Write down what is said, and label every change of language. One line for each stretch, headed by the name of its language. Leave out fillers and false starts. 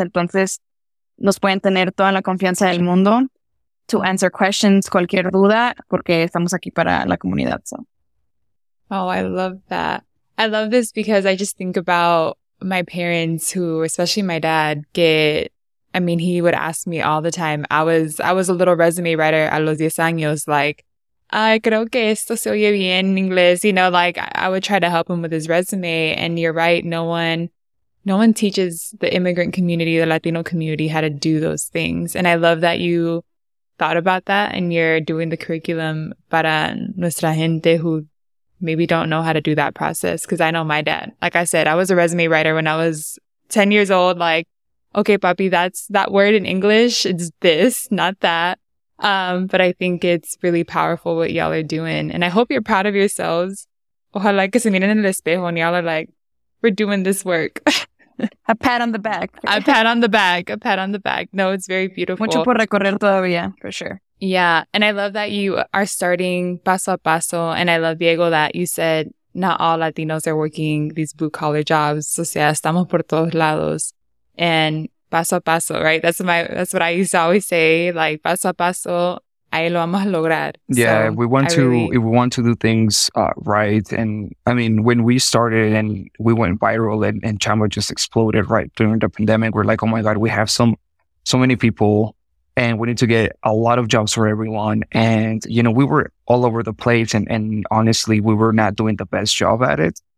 Spanish: Entonces, nos pueden tener toda la confianza del mundo
English: to answer questions,
Spanish: cualquier duda, porque estamos aquí para la comunidad.
English: So. Oh, I love that. I love this because I just think about my parents who, especially my dad, he would ask me all the time. I was a little resume writer
Spanish: a los 10 años,
English: like, I
Spanish: creo que esto se oye bien en inglés.
English: You know, like I would try to help him with his resume. And you're right. No one teaches the immigrant community, the Latino community, how to do those things. And I love that you thought about that and you're doing the curriculum
Spanish: para nuestra gente
English: who maybe don't know how to do that process. Cause I know my dad, like I said, I was a resume writer when I was 10 years old. Like, okay, papi, that's that word in English. It's this, not that. But I think it's really powerful what y'all are doing. And I hope you're proud of yourselves.
Spanish: Ojalá que se miren en el espejo
English: and y'all are like, we're doing this work. A pat on the back. A pat on the back. No, it's very beautiful.
Spanish: Mucho por recorrer todavía,
English: for sure. Yeah. And I love that you are starting
Spanish: paso a paso.
English: And I love, Diego, that you said not all Latinos are working these blue collar jobs.
Spanish: O sea, estamos por todos lados. And paso a paso, right?
English: That's what I used to always say.
Spanish: Like, paso a paso, ahí lo vamos a lograr.
English: Yeah, so if we want to do things right. And I mean, when we started and we went viral and Chamba just exploded right during the pandemic, we're like, oh my God, we have so many people and we need to get a lot of jobs for everyone. And, you know, we were all over the place and honestly, we were not doing the best job at it.